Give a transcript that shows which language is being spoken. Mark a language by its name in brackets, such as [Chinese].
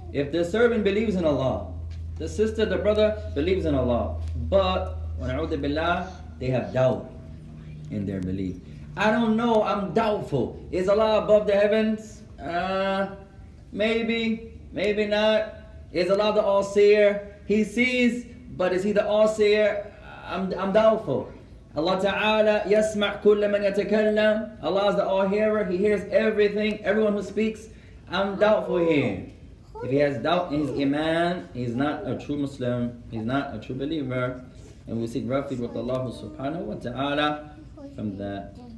[English] If the servant believes in Allah, the sister, the brother believes in Allah, but [Arabic] وَنَعُوذُ بِاللَّهِ, [English] they have doubt in their belief. I don't know, I'm doubtful. Is Allah above the heavens? Maybe, maybe not. Is Allah the all-seer? He sees, but is he the all-seer? I'm doubtful. [Arabic] Allah Ta'ala, يسمع كل من يتكلم. [English] Allah is the all-hearer, he hears everything, everyone who speaks. I'm doubtful here. If he has doubt in his iman, he's not a true Muslim, he's not a true believer. And we seek refuge with Allah Subhanahu Wa Ta'ala from that.